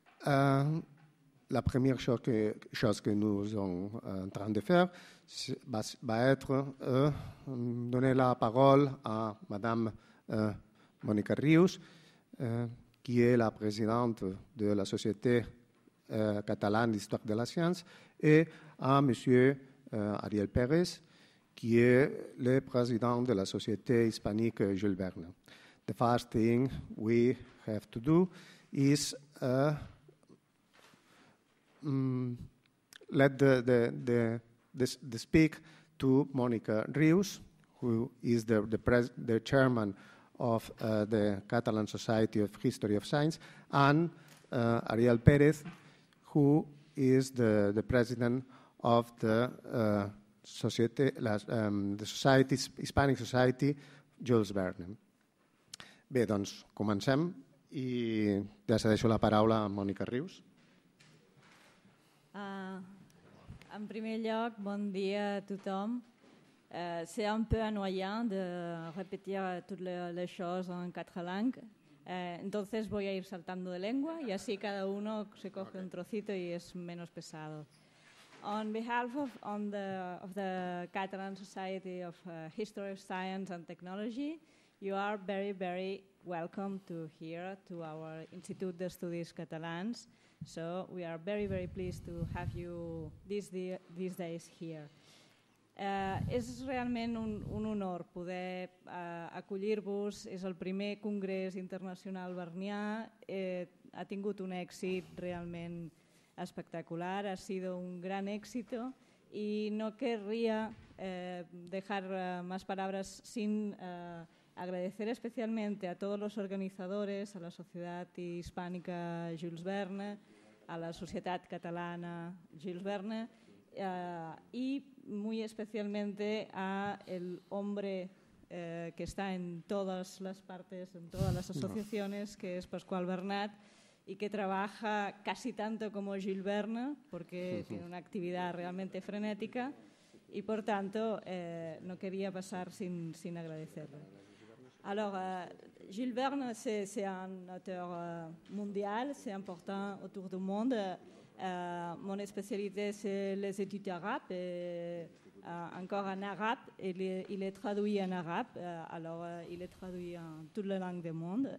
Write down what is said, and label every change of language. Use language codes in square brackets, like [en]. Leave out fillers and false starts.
[fr] La première chose que nous sommes en train de faire va être donner la parole à Madame Mónica Rius, qui est la présidente de la Société catalane d'histoire de la science, et à Monsieur Ariel Pérez, qui est le président de la Société hispanique Jules Verne. [en] The first thing we have to do is let the speak to Mónica Rius, who is the chairman of the Catalan Society of History of Science, and Ariel Pérez, who is the president of the Société, the Society, Hispanic Society, Jules Verne. [ca] Bé, doncs comencem i ja cedeixo la paraula a Mònica Rius. En primer lloc, bon dia a tothom. [fr] C'est un peu annoyant de repetir toutes les choses en quatre langues. [es] Entonces voy a ir saltando de lengua y así cada uno se coge un trocito y es menos pesado. [en] On behalf of the Catalan Society of History, Science and Technology, you are very, very welcome to here to our Institut d'Estudis Catalans. So we are very, very pleased to have you these days here. [ca] És realment un honor poder acollir-vos. És el primer congrés internacional Bernià. Ha tingut un èxit realment espectacular. [es] Ha sido un gran éxito. Y no querría dejar más palabras sin agradecer especialmente a todos los organizadores, a la Sociedad Hispánica Jules Verne, a la Societat Catalana Jules Verne y muy especialmente a el hombre que está en todas las partes, en todas las asociaciones, que es Pascual Bernat, y que trabaja casi tanto como Jules Verne, porque tiene una actividad realmente frenética, y por tanto no quería pasar sin agradecerle. [fr] Alors, Jules Verne, c'est un auteur mondial, c'est important autour du monde. Mon spécialité, c'est les études arabes, et, encore en arabe, et il est traduit en arabe, alors il est traduit en toutes les langues du monde.